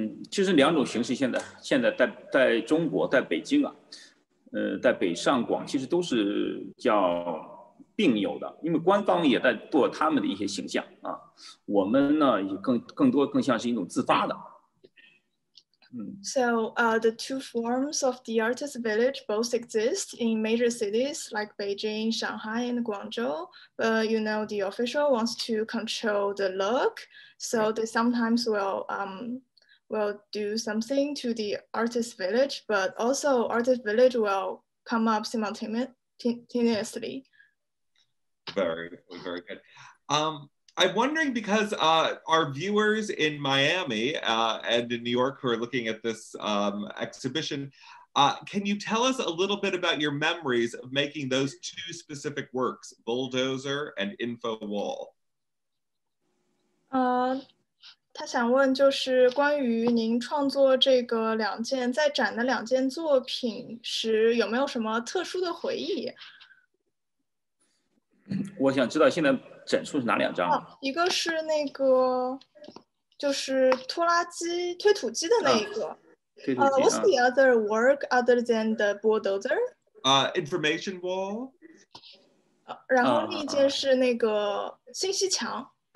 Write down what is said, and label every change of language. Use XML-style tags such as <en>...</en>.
<zh>其实两种形式现在 在中国，在北京啊，在北上广其实都是叫并有的，因为官方也在做他们的一些形象啊，我们呢也更多像是一种自发的。</zh> <en>So the two forms of the artist village both exist in major cities like Beijing, Shanghai, and Guangzhou. But you know, the official wants to control the look, so they sometimes will do something to the artist village, but also artist village will come up simultaneously. Very, very good. I'm wondering because our viewers in Miami and in New York who are looking at this exhibition, can you tell us a little bit about your memories of making those two specific works, Bulldozer and Info Wall?</en> <zh>他想问就是关于您创作这个两件在展的两件作品时有没有什么特殊的回忆？我想知道现在展出是哪两张？一个是那个，就是拖拉机、推土机的那一个。</zh> <en>What's the other work other than the bulldozer? Information wall.</en> <zh>然后另一件是那个信息墙。</zh>